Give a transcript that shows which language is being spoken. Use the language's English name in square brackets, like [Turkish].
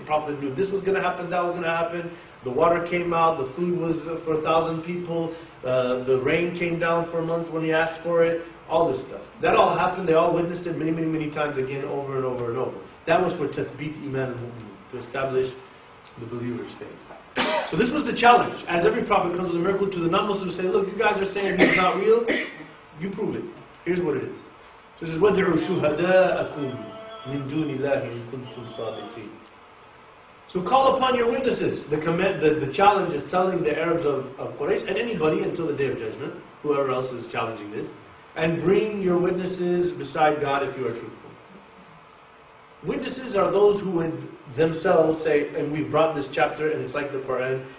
[English] Prophet knew this was going to happen, that was going to happen. The water came out, the food was for 1,000 people, the rain came down for months when he asked for it, all this stuff. That all happened, they all witnessed it many, many, many times again, over and over and over. That was for [Arabic] tathbit iman al-mu'min, [English] to establish the believer's faith. So this was the challenge. As every prophet comes with a miracle to the non-Muslims, say, look, you guys are saying he's not real, you prove it. Here's what it is. So it says, [Arabic] وَدْعُوا شُهَدَاءَكُمْ مِنْ دُونِ اللَّهِ إِنْ كُنْتُمْ صَادِقِينَ. [English] So call upon your witnesses. The challenge is telling the Arabs of Quraysh and anybody until the Day of Judgment, whoever else is challenging this, and bring your witnesses beside God if you are truthful. Witnesses are those who would themselves say, and we've brought this chapter and it's like the Quran.